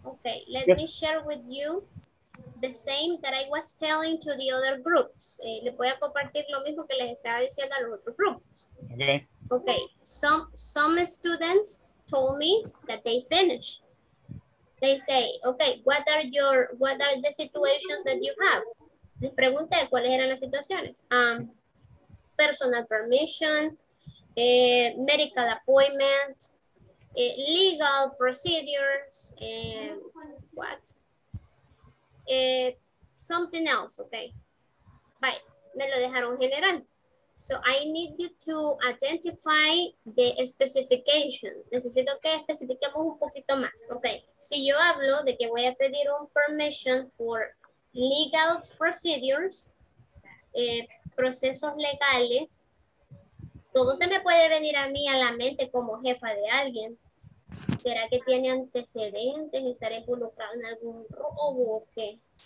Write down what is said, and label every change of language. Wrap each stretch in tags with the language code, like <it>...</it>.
<en>Okay, let yes. me share with you the same that I was telling to the other groups.</en> <es>Les voy a compartir lo mismo que les estaba diciendo a los otros grupos.</es> <en>Okay. Okay, some students told me that they finished. They say, okay, what are the situations that you have?</en> <es>Les pregunté cuáles eran las situaciones.</es> <en>Personal permission, medical appointment, legal procedures, what? Something else, okay. Bye.</en> <es>Me lo dejaron general.</es> <en>So I need you to identify the specification.</en> <es>Necesito que especifiquemos un poquito más, okay. Si yo hablo de que voy a pedir un</es> <en>permission for legal procedures,</en> <es>procesos legales, todo se me puede venir a mí a la mente como jefa de alguien. ¿Será que tiene antecedentes y estaré involucrado en algún robo o qué?</es>